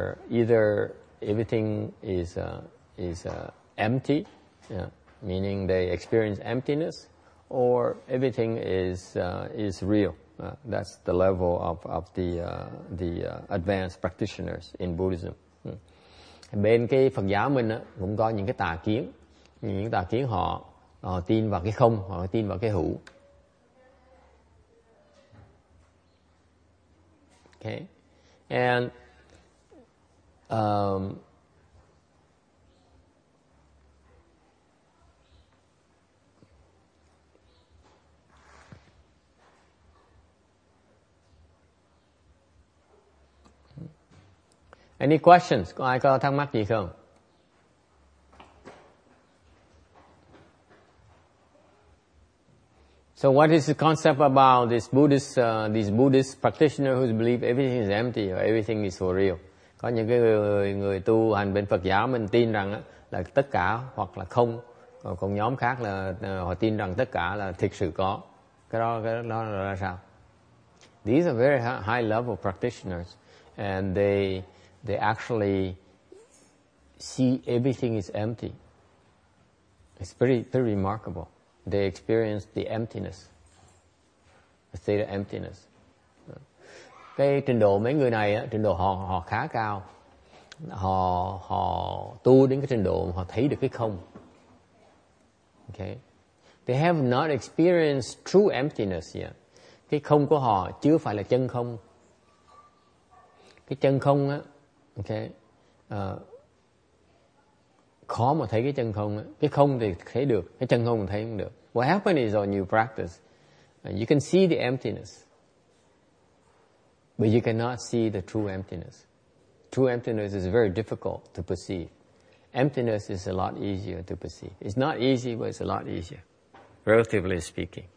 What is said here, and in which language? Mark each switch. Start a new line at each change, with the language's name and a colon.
English: either everything is empty, yeah, meaning they experience emptiness, or everything is real. That's the level of the advanced practitioners in Buddhism.
Vietnamese: Bên cái Phật giáo mình á cũng có những cái tà kiến, những tà kiến họ tin vào cái không, họ tin vào cái hữu.
English: Okay, and any questions?
Vietnamese: Có ai có thắc mắc gì không?
English: So what is the concept about this Buddhist practitioner who believes everything is empty or everything is for real?
Vietnamese: Có những cái người tu hành bên Phật giáo mình tin rằng là tất cả hoặc là không, còn nhóm khác là họ tin rằng tất cả là thực sự có. Cái đó là sao?
English: These are very high-level practitioners, and they actually see everything is empty. It's pretty remarkable. They experience the emptiness, the state of emptiness.
Vietnamese: Cái trình độ mấy người này, trình độ họ khá cao. Họ tu đến cái trình độ họ thấy được cái không. Okay.
English: They have not experienced true emptiness yet.
Vietnamese: Cái không của họ chưa phải là chân không. Cái chân không á, okay, khó mà thấy cái chân không á. Cái không thì thấy được, cái chân không thì thấy không được.
English: What happens is when you practice, you can see the emptiness, but you cannot see the true emptiness. True emptiness is very difficult to perceive. Emptiness is a lot easier to perceive. It's not easy, but it's a lot easier, relatively speaking.